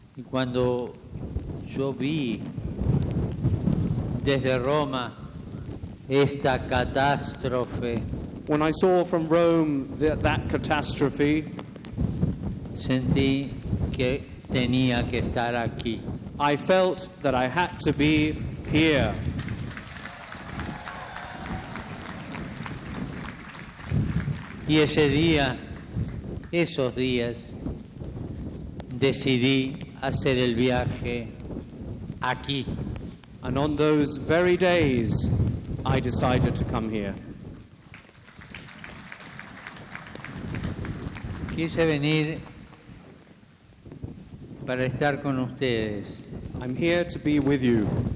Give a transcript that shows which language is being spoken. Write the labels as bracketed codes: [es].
[es] Cuando yo vi desde Roma esta catástrofe, [en] when I saw from Rome that catastrophe, [es] sentí que tenía que estar aquí. [en] I felt that I had to be here. [es] Y ese día, esos días, decidí hacer el viaje aquí. [en] And on those very days, I decided to come here. [es] Quise venir para estar con ustedes. [en] I'm here to be with you.